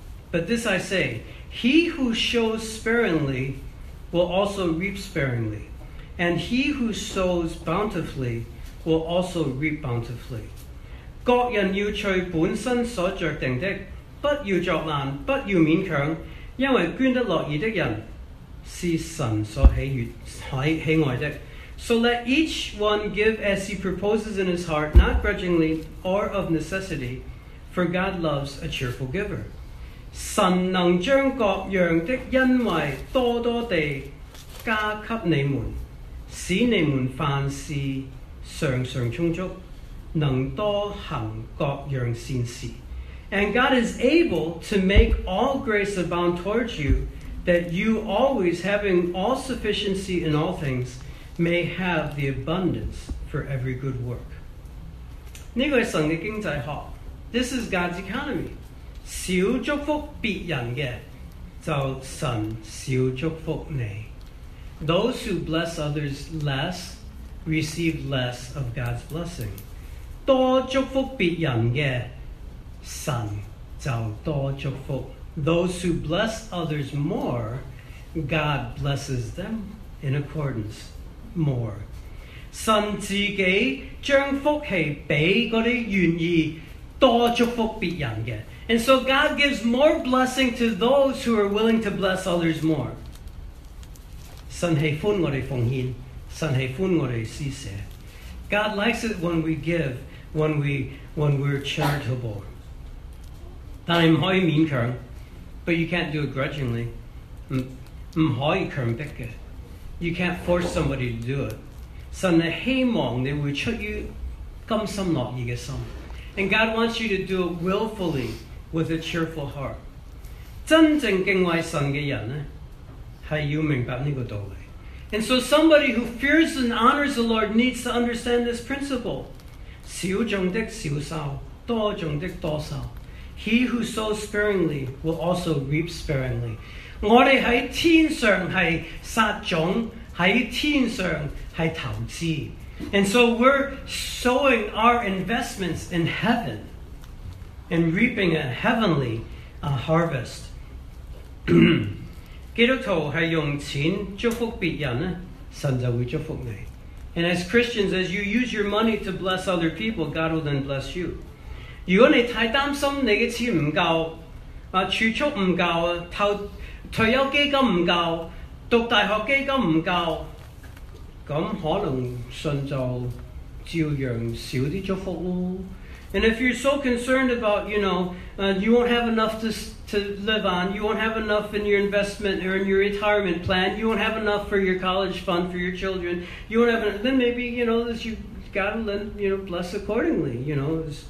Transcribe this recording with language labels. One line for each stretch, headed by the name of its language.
English: But this I say he who sows sparingly will also reap sparingly and he who sows bountifully will also reap bountifully
Chinese: 各人要随本身所着定的，不要作难，不要勉强，因为捐得乐意的人是神所喜爱的。
English: So let each one give as he proposes in his heart, not grudgingly or of necessity, for God loves a cheerful giver.
Chinese: 神能将各样的恩惠多多地加给你们，使你们凡事常常充足。能多行各样善事。
English: And God is able to make all grace abound towards you, that you always, having all sufficiency in all things, may have the abundance for every good work.
Chinese: 这个是神的经济学。
English: This is God's economy.
Chinese: 少祝福别人的，就神少祝福你。
English: Those who bless others less, receive less of God's blessing.
Chinese: 多祝福别人的神就多祝福。
English: Those who bless others more, God blesses them in accordance more.
Chinese: 神自己将福气给那些愿意多祝福别人的。
English: And so God gives more blessing to those who are willing to bless others more.
Chinese: 神喜欢我们奉献，神喜欢我们施舍。
English: God likes it when we give. When we're charitable.
Chinese: 但是不可以勉强，
English: but you can't do it grudgingly.
Chinese: 不可以强迫的，
English: you can't force somebody to do it.
Chinese: 神是希望你会出于甘心乐意的心。
English: And God wants you to do it willfully with a cheerful heart.
Chinese: 真正敬畏神的人呢，是要明白这个道理。
English: And so somebody who fears and honors the Lord needs to understand this principle.
Chinese: 少种的少收，多种的多收。
English: He who sows sparingly will also reap sparingly.
Chinese: 我们在天上是撒种，在天上是投资。
English: And so we're sowing our investments in heaven and reaping a heavenly harvest.
Chinese: 基督徒是用钱祝福别人，神就会祝福你。
English: And as Christians, as you use your money to bless other people, God will then bless you.
Chinese: 如果你太担心你的钱不够，储蓄不够，退休基金不够，读大学基金不够，咁可能神就照样少啲祝福咯。
English: And if you're so concerned about, you won't have enough to to live on. You won't have enough in your investment or in your retirement plan. You won't have enough for your college fund for your children. You won't have enough. Then maybe, you know, that you've got to, you know, bless accordingly, you know.